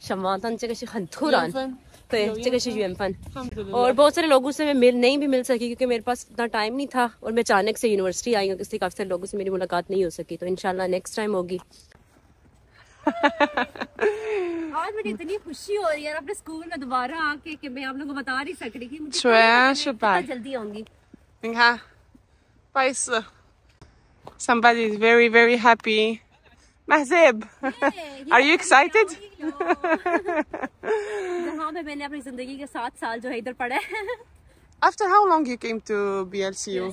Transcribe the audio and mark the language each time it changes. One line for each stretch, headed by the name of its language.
Chinese: 我真的没想到我今年会跟你见，真的，我们都没有想到会来北邮或者什么，但这个是很突然，对，这个是缘分。
Hindi: और बहुत सारे लोगों से मैं मिल नहीं भी मिल सकी क्योंकि मेरे पास इतना टाइम नहीं था और मैं अचानक से यूनिवर्सिटी आई हूँ, इसलिए काफी सारे लोगों से मेरी मुलाकात नहीं हो सकी, तो इंशाल्लाह नेक्स्ट टाइम होगी। आज मुझे इतनी खुशी हो रही है अपने स्कूल में दोबारा आके कि मैं आप लोगों को बता नहीं सक रही कि मुझे कितना जल्दी आऊंगी। हां
English: पाइस Somebody is very very happy. Mahzib, yeah, are you excited?
Hindi: हां मैं मैंने अपनी जिंदगी के 7 साल जो है इधर पढ़े हैं।
English: After how long you came to BLCU?